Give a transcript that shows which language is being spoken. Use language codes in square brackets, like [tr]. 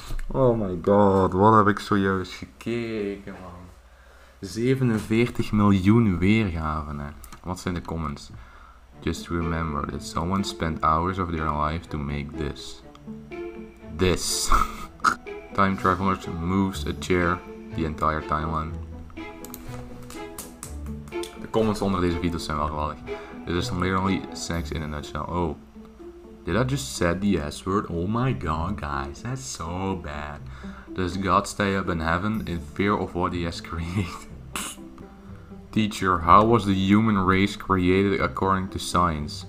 [en] Oh my god, [nl] wat heb ik zojuist gekeken, man. 47 miljoen weergaven, hè. Wat zijn de comments? [en] Just remember that someone spent hours of their life to make this. This. Time travelers moves a chair the entire timeline. [nl] De comments onder deze video zijn wel geweldig. [en] This is literally sex in a nutshell. Oh. Did I just say the S word? Oh my god, guys, that's so bad. Does God stay up in heaven in fear of what he has created? Teacher, how was the human race created according to science?